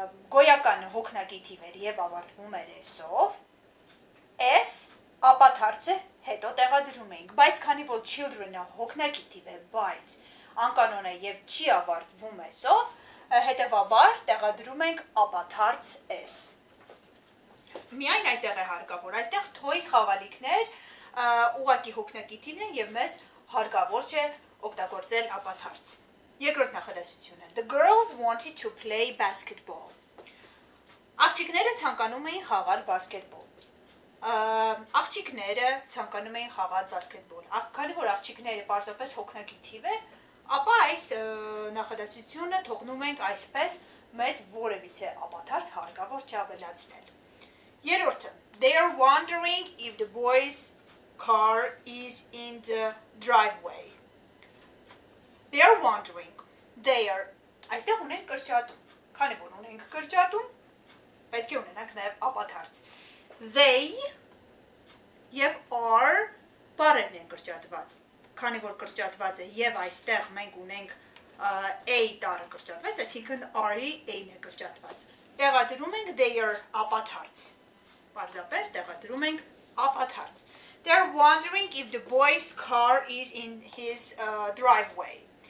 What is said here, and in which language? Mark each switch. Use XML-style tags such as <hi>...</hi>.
<hy>գոյականը հոգնակի թիվ էր եւ ավարտվում էր s-ով, s ապաթարցը հետո տեղադրում ենք, բայց քանի որ children-ը հոգնակի թիվ է, բայց անկանոն է եւ չի ավարտվում s-ով, հետեւաբար տեղադրում ենք ապաթարց s։ Միայն այդտեղ է հարկավոր, այստեղ toys խաղալիքներ ուղակի հոգնակի թիվ են եւ մեզ հարկավոր չէ օգտագործել ապաթարց։ Երկրորդ նախադասությունը.</hy> <en>The girls wanted to play basketball.</en> <hy>Աղջիկները ցանկանում էին խաղալ բասկետբոլ։ Աղջիկները ցանկանում էին խաղալ բասկետբոլ։ Քանի որ աղջիկները պարզապես հոգնակի թիվ է, ապա այս նախադասությունը թողնում ենք այսպես, մեզ որևիցե ապաթարց հարկավոր չի ավելացնել։ Երրորդը.</hy> <en>They are wondering if the boy's car is in the driveway. They are wondering. They are.</en> <hy>Այստեղ ունենք կրճատում։ Քանի որ ունենք կրճատում, պետք է ունենանք նաև ապաթարց։ They եւ are բառերն են կրճատված։ Քանի որ կրճատված է եւ այստեղ մենք ունենք a-ի տառը կրճատված, այսինքն are-ի a-ն է կրճատված։ Տեղադրում ենք they are ապաթարց։ Պարզապես տեղադրում ենք ապաթարց։ They are wondering if the boy's car is in his driveway.</hy>